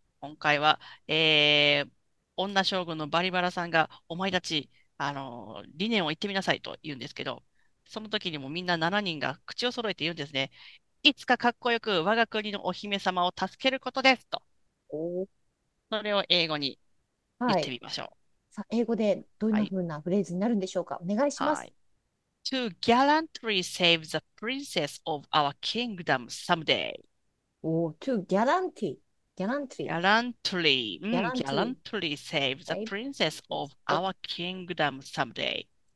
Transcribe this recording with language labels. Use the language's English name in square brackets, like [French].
[Japanese] 今回は、女将軍のバリバラさんが、お前たち、理念を言ってみなさいと言うんですけど、その時にもみんな7人が口を揃えて言うんですね。いつかかっこよく我が国のお姫様を助けることですと。それを英語に言ってみましょ英語でどんう。なふうなフレーズになるんでしょうか。お願いします。 [English] To gallantly save the princess of our kingdom someday. おお、to guarantee、guarantee、 Gallantly, guarantee、 gallantly save the save、 princess of our kingdom someday.